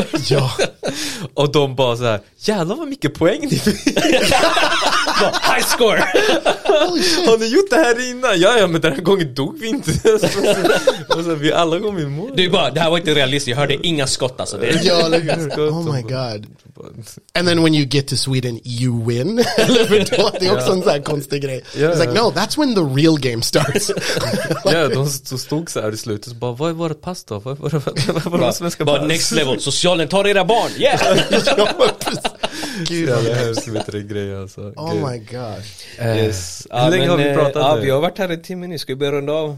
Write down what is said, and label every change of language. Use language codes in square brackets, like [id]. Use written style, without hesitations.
[sv] Ja. Och de bara så här, jävlar vad mycket poäng ni fick. [en] High score. [sv] Har ni gjort det här innan? Ja, men den här gången dog vi inte. Alltså, vi alla kom i mål. Du bara, det här var inte realistiskt. Jag hörde inga skott. Alltså, det. Ja, [en] oh my god. And then when you get to Sweden, you win. [sv] Det är också en sån här konstig grej. [en] It's like, no, that's when the real game starts. [sv] Ja, de stod så här i slutet. Så bara, vad är vårt pass då? Vad är vårt svenska pass? [en] Next level. [sv] Socialen tar era barn. [en] Yeah. [sv] Gud, jag hör som inte det grejen alltså. [en] Oh [sv] Gud. [en] My god. Yes. [sv] Hur länge har vi pratat nu? Vi har varit här en timme nu. Ska vi börja runda av?